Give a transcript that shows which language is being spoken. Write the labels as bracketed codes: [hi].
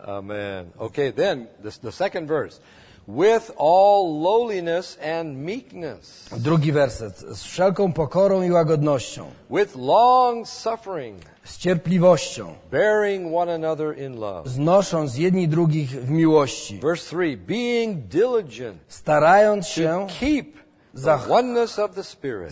[en] Amen. Okay, then the second verse. With all lowliness and meekness. [pl] Drugi werset. Z wszelką pokorą i łagodnością. [en] With long suffering. [pl] Z cierpliwością. [en] Bearing one another in love. [pl] Znosząc jedni drugich w miłości. [en] Verse 3. Being diligent. [pl] Starając się. [en] To keep the oneness of the Spirit.